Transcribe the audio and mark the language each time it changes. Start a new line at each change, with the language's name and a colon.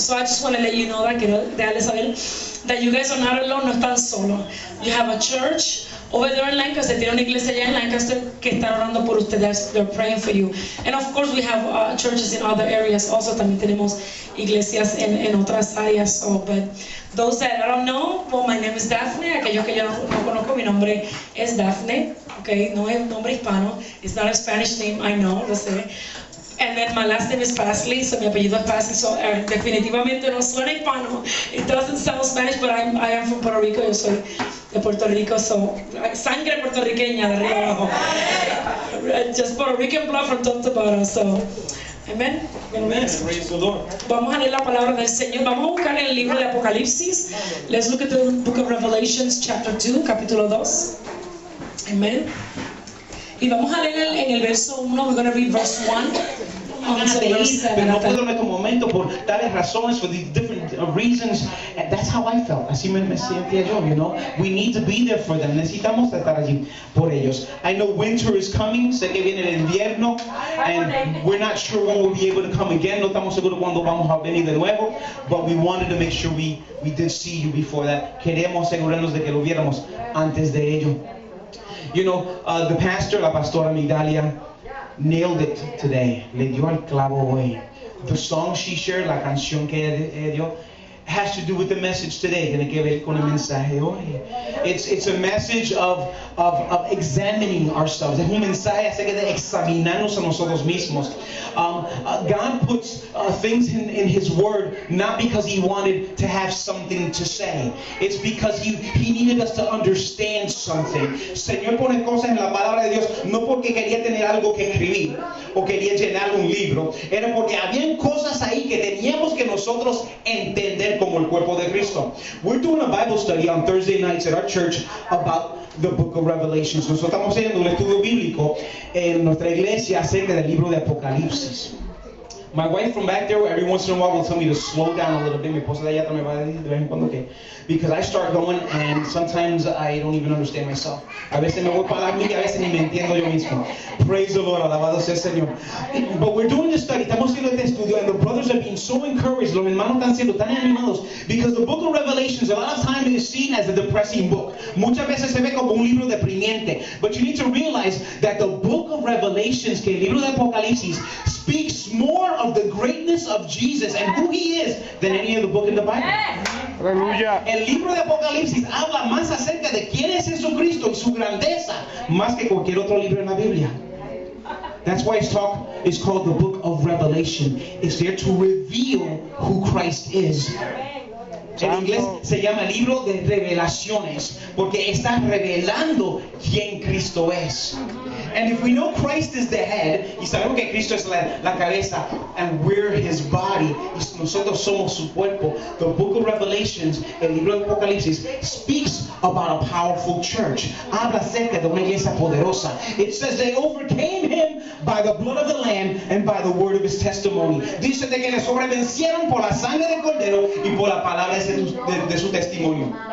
English: So I just want to let you know that.
Spanish: Quiero dejarles saber
English: that you guys are not alone.
Spanish: No están solos.
English: You have a church over there in Lancaster.
Spanish: Tiene una iglesia allá en Lancaster que está orando por ustedes.
English: They're praying for you. And of course, we have churches in other areas also.
Spanish: También tenemos iglesias en otras áreas.
English: So, but those that I don't know, well, my name is Daphne.
Spanish: Aquellos que yo no conozco, mi nombre es Daphne.
English: Okay,
Spanish: no es nombre hispano.
English: It's not a Spanish name, I know,
Spanish: lo sé.
English: And then my last name is Parsley, so
Spanish: mi apellido es Parsley, so definitivamente no suena hispano.
English: It doesn't sound Spanish, but I am from Puerto Rico.
Spanish: Yo soy de Puerto Rico, so sangre puertorriqueña de arriba abajo.
English: Just Puerto Rican blood from top to bottom, so amen. Amen. Amen.
Spanish: Vamos a leer la palabra del Señor. Vamos a buscar en el libro de Apocalipsis.
English: Let's look at the book of Revelations, chapter 2,
Spanish: capítulo 2.
English: Amen.
Spanish: Y vamos a leer en el verso 1,
English: we're going to read verse 1.
Spanish: Pero no puedo en este momento por tales razones,
English: for these different reasons, and that's how I felt.
Spanish: Así me sentía yo,
English: you know. We need to be there for them.
Spanish: Necesitamos estar allí por ellos.
English: I know winter is coming.
Spanish: Sé que viene el invierno,
English: and we're not sure when we'll be able to come again.
Spanish: No estamos seguros cuando vamos a venir de nuevo,
English: but we wanted to make sure we did see you before that.
Spanish: Queremos asegurarnos de que lo viéramos antes de ello.
English: You know, the pastor,
Spanish: la pastora Migdalia,
English: nailed it today.
Spanish: Le dio al clavo hoy.
English: The song she shared,
Spanish: la canción que ella dio,
English: has to do with the message today.
Spanish: Tiene que ver con el mensaje hoy.
English: It's a message of examining ourselves.
Spanish: Es un mensaje acerca de examinarnos a nosotros mismos.
English: God puts things in His Word not because He wanted to have something to say. It's because He needed us to understand something.
Spanish: Señor pone cosas en la palabra de Dios no porque quería tener algo que escribir o quería llenar un libro. Era porque habían cosas ahí que teníamos que nosotros entender como el cuerpo de Cristo.
English: We're doing a Bible study on Thursday nights at our church about the book of Revelation.
Spanish: Nosotros estamos haciendo un estudio bíblico en nuestra iglesia acerca del libro de Apocalipsis.
English: My wife from back there, every once in a while, will tell me to slow down a little bit.
Spanish: Mi esposa de allá también va a decir de vez en cuando que,
English: because I start going and sometimes I don't even understand myself.
Spanish: A veces me voy para la milla, a veces ni me entiendo yo mismo.
English: Praise the Lord,
Spanish: alabado sea el Señor.
English: But we're doing this study,
Spanish: estamos haciendo este estudio,
English: and the brothers have been so encouraged,
Spanish: los hermanos están siendo tan animados,
English: because the book of Revelation, a lot of times is seen as a depressing book.
Spanish: Muchas veces se ve como un libro deprimiente.
English: But you need to realize that the book of Revelation,
Spanish: que el libro de Apocalipsis,
English: speaks more of the greatness of Jesus and who He is than any other book in the Bible.
Spanish: Aleluya. El libro de Apocalipsis habla más acerca de quién es Jesucristo y su grandeza más que cualquier otro libro en la Biblia.
English: That's why it's talk is called the book of Revelation. It's there to reveal who Christ is.
Spanish: En inglés se llama libro de revelaciones porque está revelando quién Cristo es.
English: And if we know Christ is the head,
Spanish: y sabemos que Cristo es la cabeza,
English: and we're His body,
Spanish: y nosotros somos su cuerpo,
English: the book of Revelations,
Spanish: el libro de Apocalipsis,
English: speaks about a powerful church.
Spanish: Habla acerca de una iglesia poderosa.
English: It says they overcame Him by the blood of the Lamb and by the word of His testimony.
Spanish: Dice de que le sobrevencieron por la sangre del Cordero y por la palabra de su testimonio.